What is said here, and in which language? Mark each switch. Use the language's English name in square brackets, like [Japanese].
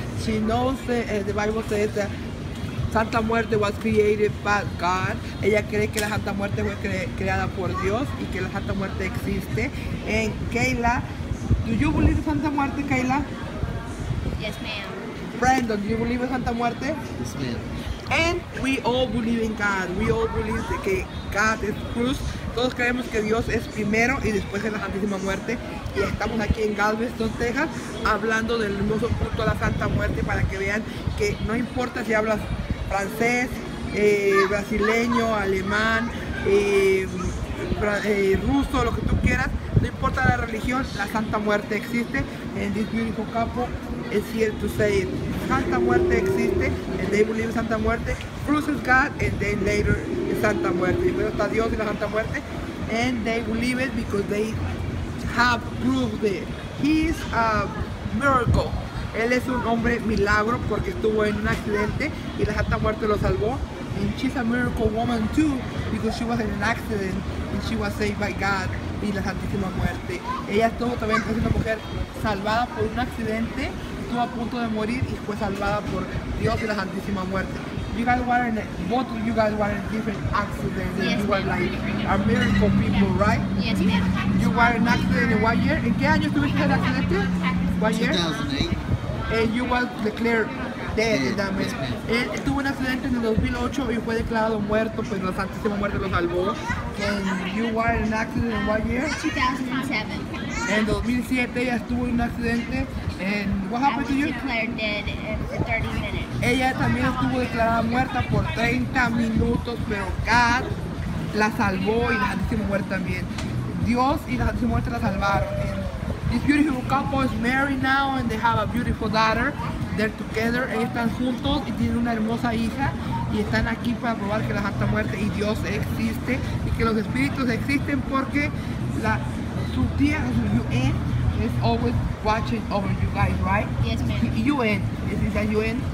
[English] She knows the Bible says that Santa Muerte was created by God. [Spanish] Ella cree que la Santa Muerte fue creada por Dios y que la Santa Muerte existe. [English] And Kayla, do you believe in Santa Muerte, Kayla? Yes, ma'am. Brandon, do you believe in Santa Muerte? Yes, ma'am. And we all believe in God. We all believe that God is first. [Spanish] Todos creemos que Dios es primero y después es la Santísima Muerte. Y estamos aquí en Galveston, Texas, hablando del hermoso culto a la Santa Muerte para que vean que no importa si hablas francés, brasileño, alemán, ruso, lo que tú quieras, no importa la religión, la Santa Muerte existe. [English] En this beautiful campo, it's here to say it. [Spanish] Santa Muerte existe, [English] and they believe in Santa Muerte. First is God, and then later is Santa Muerte. [Spanish] Primero está Dios y la Santa Muerte, [English] and they believe it because they have proved it. He is a miracle. [Spanish] Él es un hombre milagro porque estuvo en un accidente y la Santa Muerte lo salvó. [English] And she's a miracle woman too because she was in an accident and she was saved by God [Spanish] y la Santísima Muerte. Ella estuvo también, es una mujer salvada por un accidente, estuvo a punto de morir y fue salvada por Dios y la Santísima Muerte. [English] You guys were in a, both of you guys were in different accidents. Yes, you were like a miracle people, yeah. Right? Yes, ma'am. You were in an accident in what year? [Spanish] ¿En qué año tuviste el accidente? [English] What year? 2008. And you were declared dead. Yeah, that yes, ma'am. [Spanish] Él tuvo un accidente en el 2008 y fue declarado muerto, pero la Santísima Muerte lo salvó. [English] And you were in an accident in what year? 2007. [Spanish] En 2007 ella estuvo en un accidente. [English] And what happened to you? Declared dead for 30 minutes. [Spanish] Ella también estuvo declarada muerta por 30 minutos, pero God la salvó y la Santísima Muerte también. Dios y la Santísima Muerte la salvaron. [English] And this beautiful couple is married now and they have a beautiful daughter. They're together. [Spanish] Ellos están juntos y tienen una hermosa hija. Y están aquí para probar que la Santa Muerte y Dios existe. Y que los espíritus existen porque la, su tía, su UN, [English] is always watching over you guys, right? Yes, ma'am. UN, is it a UN?